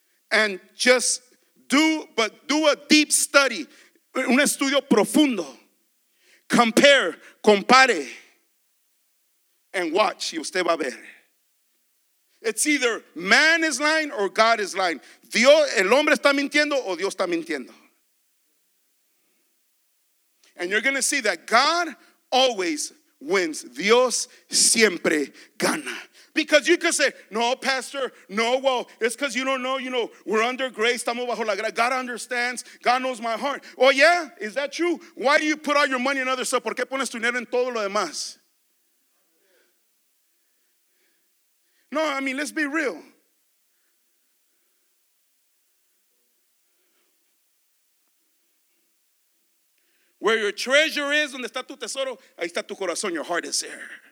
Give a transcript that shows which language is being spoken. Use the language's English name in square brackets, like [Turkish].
[English] And just do, but do a deep study. [Spanish] Un estudio profundo. [English] Compare. Compare. And watch. [Spanish] Y usted va a ver. [English] It's either man is lying or God is lying. [Spanish] Dios, el hombre está mintiendo o Dios está mintiendo. [English] And you're going to see that God always wins. [Spanish] Dios siempre gana. [English] Because you could say, no, Pastor, no, well, it's because you don't know, you know, we're under grace. [Spanish] Estamos bajo la gracia. [English] God understands. God knows my heart. Oh, yeah, is that true? Why do you put all your money in other stuff? [Spanish] ¿Por qué pones tu dinero en todo lo demás? [English] No, I mean, let's be real. Where your treasure is, [Spanish] donde está tu tesoro, ahí está tu corazón, [English] your heart is there.